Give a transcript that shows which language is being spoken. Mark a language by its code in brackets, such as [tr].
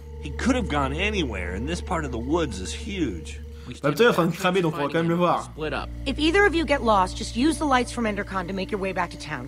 [en] He could have gone anywhere, and this part of the woods is huge. [fr] Peut-être en train de cramer, donc on va quand même le voir. [en] If either of you get lost, just use the lights from Endercon to make your way back to town.